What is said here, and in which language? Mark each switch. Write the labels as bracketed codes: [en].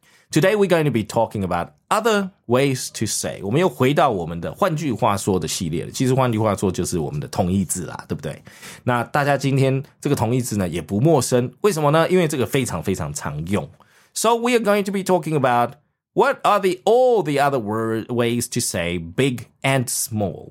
[en] Today we're going to be talking about other ways to say. [zh] 我们又回到我们的换句话说的系列了。其实换句话说就是我们的同义字啦，对不对？那大家今天这个同义字呢也不陌生，为什么呢？因为这个非常非常常用。 [en] So we are going to be talking about what are all the other ways to say big and small.